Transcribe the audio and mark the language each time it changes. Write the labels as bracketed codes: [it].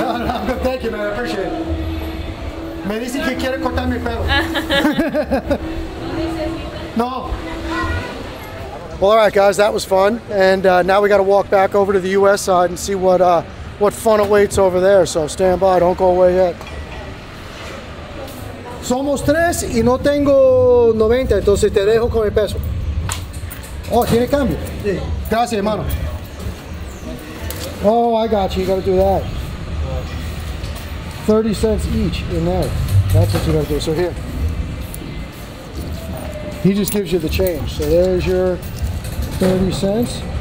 [en] No, no, thank you, man. I appreciate it. [es] Me dicen que quiere cortar mi pelo. No. [en] Well, all right, guys, that was fun. And now we got to walk back over to the U.S. side and see what fun awaits over there. So stand by. Don't go away yet. [es] Somos tres y no tengo 90, entonces te dejo con el peso. Oh, tiene cambio? Sí. Gracias, hermano. [en] Oh, I got you. You got to do that. 30 cents each in there. That's what you got to do. So here. He just gives you the change. So there's your 30 cents.